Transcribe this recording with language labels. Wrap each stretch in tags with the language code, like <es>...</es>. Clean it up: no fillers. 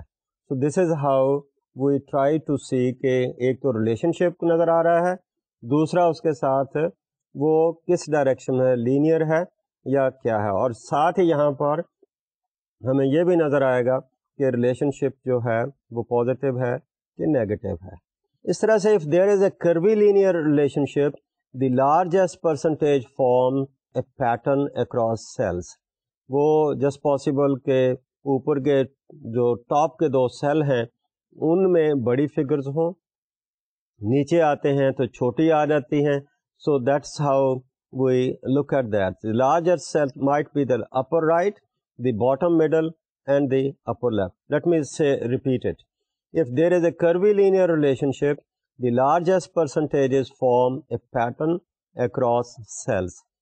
<en>so this is how we try to see</en> <ur>کہ ایک تو ریلیشن شپ نظر آ رہا ہے, دوسرا اس کے ساتھ وہ کس ڈائریکشن میں لینئر ہے یا کیا ہے. اور ساتھ ہی یہاں پر ہمیں یہ بھی نظر آئے گا کہ ریلیشن شپ جو ہے وہ پازیٹیو ہے کہ نیگیٹو ہے. اس طرح سے</ur> <en>If there is a curvilinear relationship the largest percentage form a pattern across cells.</en> <ur>وہ جس پاسبل کے اوپر کے جو ٹاپ کے دو سیل ہیں ان میں بڑی فگرز ہوں, نیچے آتے ہیں تو چھوٹی آ جاتی ہیں.</ur> <en>So that's how we look at that. Larger cell might be the upper right, the bottom middle and the upper left. Let me say repeat it, if there is a curvilinear relationship the largest percentages form a pattern across cells.</en>